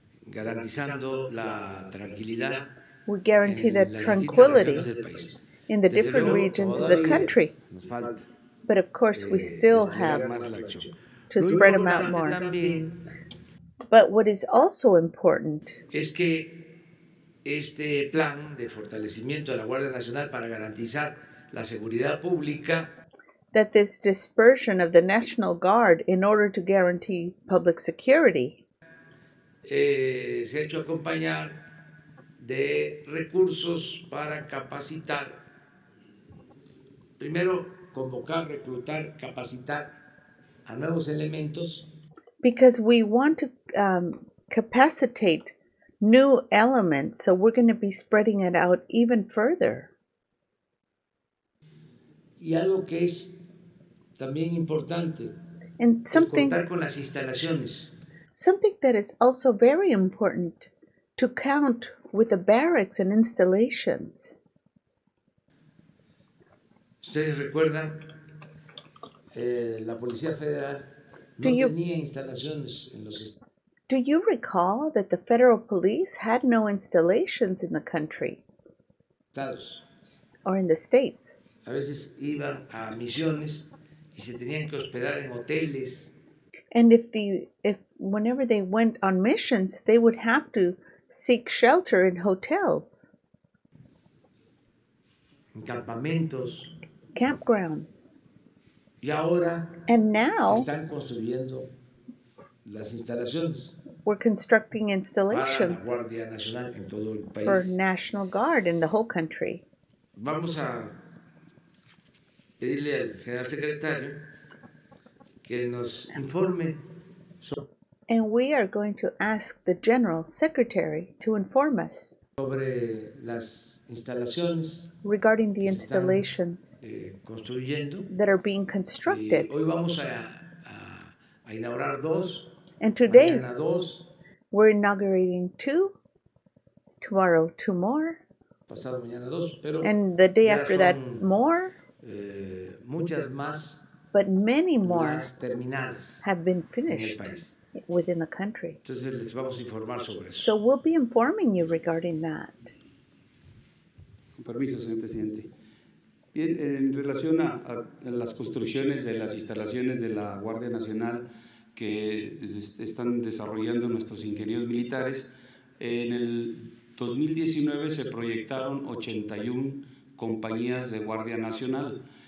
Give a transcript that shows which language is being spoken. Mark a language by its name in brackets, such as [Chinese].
[Spanish] garantizando la tranquilidad, [English] we guarantee that tranquility in the different regions of the country. [Spanish] Nos falta, [English] but of course, we still have to spread them out more. [Spanish] También, [English] but what is also important [Spanish] es que este plan de fortalecimiento de la Guardia Nacional para garantizar la seguridad pública, [English] that this dispersion of the National Guard in order to guarantee public security, [Spanish] se ha hecho acompañar de recursos para capacitar, primero convocar, reclutar, capacitar a nuevos elementos. [English] Because we want to capacitate new elements, so we're going to be spreading it out even further. [Spanish] Y algo que es también importante, [English] and something, [Spanish] es contar con las instalaciones. [English] Something that is also very important, to count with the barracks and installations. [Spanish] ¿Ustedes recuerdan? La Policía Federal no tenía instalaciones en los [English] Do you recall that the federal police had no installations in the country? [Spanish] Estados. [English] Or in the states? [Spanish] A veces iban a misiones y se tenían que hospedar en hoteles. [English] And if whenever they went on missions, they would have to seek shelter in hotels. [Spanish] En campamentos. [English] Campgrounds. [Spanish] Y ahora, [English] and now, [Spanish] se están construyendo las instalaciones, [English] we're constructing installations [Spanish] para la Guardia Nacional en todo el país, [English] for National Guard in the whole country. [Spanish] Vamos a pedirle al General Secretario que nos informe. [English] And we are going to ask the General Secretary to inform us [Spanish] sobre las instalaciones, [English] regarding the installations [Spanish] construyendo, [English] that are being constructed. [Spanish] Hoy vamos a inaugurar dos, [English] and today, [Spanish] mañana dos, [English] we're inaugurating two, tomorrow two more, [Spanish] pasado mañana dos, pero [English] and the day after [Spanish] son, [English] that more, [Spanish] muchas más, [English] but many more [Spanish] terminales [English] have been finished within the country. [Spanish] Entonces, les vamos a informar sobre eso. [English] So we'll be informing you regarding that. [Spanish] Con permiso, señor presidente. Bien, en relación a las construcciones de las instalaciones de la Guardia Nacional que están desarrollando nuestros ingenieros militares, en el 2019 se proyectaron 81 compañías de Guardia Nacional.